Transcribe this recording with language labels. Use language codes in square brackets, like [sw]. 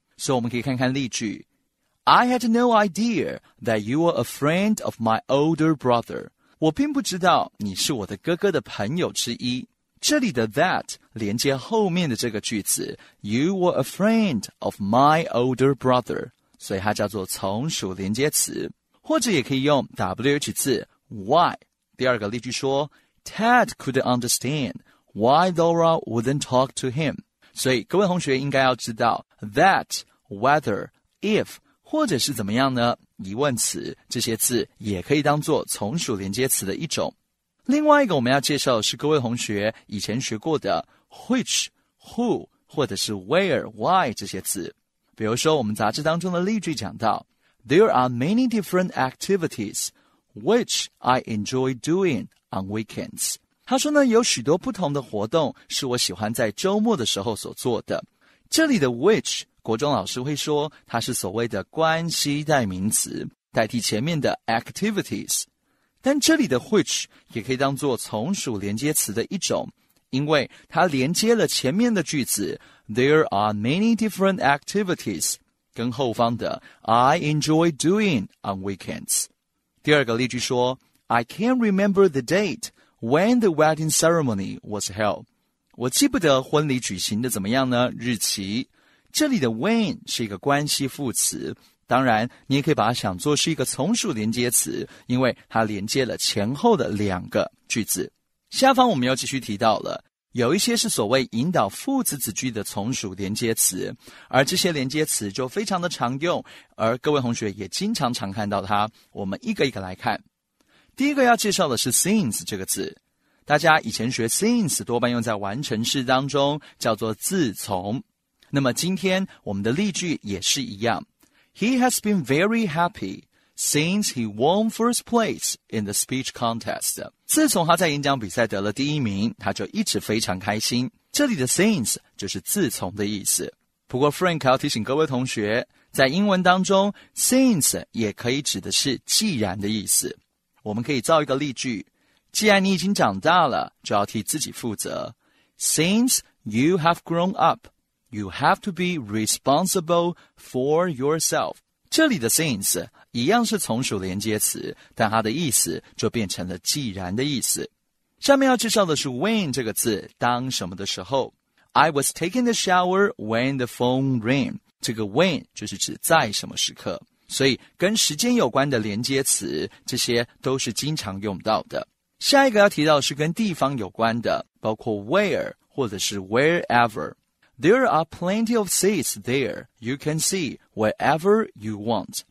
[zh] 所以我们可以看看例句 [en] I had no idea that you were a friend of my older brother. [zh] 我并不知道你是我的哥哥的朋友之一。这里的 that 连接后面的这个句子 [en] You were a friend of my older brother. [zh] 所以它叫做从属连接词，或者也可以用 WH 字 why。第二个例句说 [en] ，Ted couldn't understand why Laura wouldn't talk to him。 [zh] 所以各位同学应该要知道 that、whether、if 或者是怎么样呢？疑问词这些字也可以当作从属连接词的一种。另外一个我们要介绍的是各位同学以前学过的 which、who 或者是 where、why 这些字。比如说我们杂志当中的例句讲到 [en] There are many different activities which I enjoy doing on weekends. [zh] 他说呢，有许多不同的活动是我喜欢在周末的时候所做的。这里的 which, 国中老师会说它是所谓的关系代名词，代替前面的 activities。但这里的 which 也可以当作从属连接词的一种，因为它连接了前面的句子 [en] There are many different activities, [zh] 跟后方的 [en] I enjoy doing on weekends. [zh] 第二个例句说 [en] I can't remember the date when the wedding ceremony was held. [zh] 我记不得婚礼举行的怎么样呢？日期。这里的 when 是一个关系副词，当然你也可以把它想作是一个从属连接词，因为它连接了前后的两个句子。下方我们又继续提到了有一些是所谓引导副词子句的从属连接词，而这些连接词就非常的常用，而各位同学也经常常看到它。我们一个一个来看。第一个要介绍的是 since 这个字，大家以前学 since 多半用在完成式当中，叫做自从。那么今天我们的例句也是一样 [en] He has been very happy since he won first place in the speech contest. [zh] 自从他在演讲比赛得了第一名，他就一直非常开心。这里的 since 就是自从的意思。不过 Frank 要提醒各位同学，在英文当中 since 也可以指的是既然的意思。我们可以造一个例句，既然你已经长大了，就要替自己负责。 [en] Since you have grown up, you have to be responsible for yourself. [zh] 这里的 since一样是从属连接词，但它的意思就变成了既然的意思。下面要介绍的是 when 这个字，当什么的时候。 [en] I was taking a shower when the phone rang. [zh] 这个 when 就是指在什么时刻。所以跟时间有关的连接词，这些都是经常用到的。下一个要提到的是跟地方有关的，包括 where 或者是 wherever. [en] There are plenty of seats there. You can see wherever you want.